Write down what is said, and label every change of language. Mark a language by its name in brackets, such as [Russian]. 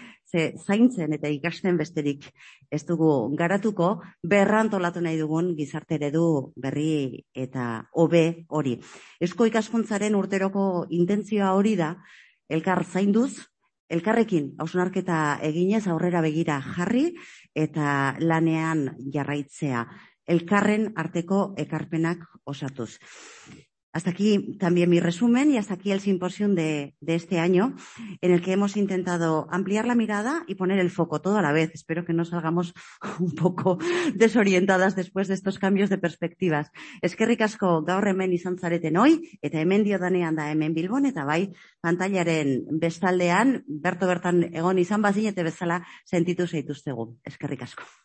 [Basque] Ze zaintzen eta ikasten besterik ez dugu garatuko, berrantolatu nahi dugun gizarte eredu berri eta hobe hori. Eusko Ikaskuntzaren urteroko intentzioa hori da, elkar zainduz, elkarrekin hausnarketa eginez aurrera begira jarri eta lanean jarraitzea. Elkarren arteko ekarpenak osatuz. [Spanish] Hasta aquí también mi resumen y hasta aquí el simposio de este año, en el que hemos intentado ampliar la mirada y poner el foco todo a la vez. Espero que no salgamos un poco desorientadas después de estos cambios de perspectivas. [Basque] Eskerrik asko gaur hemen izan zareten hoy, eta hemen diodanean da hemen Bilbon, eta bai pantailaren bestaldean, bertan egon izan bazinete bezala sentitu zaituztegu. Eskerrik asko.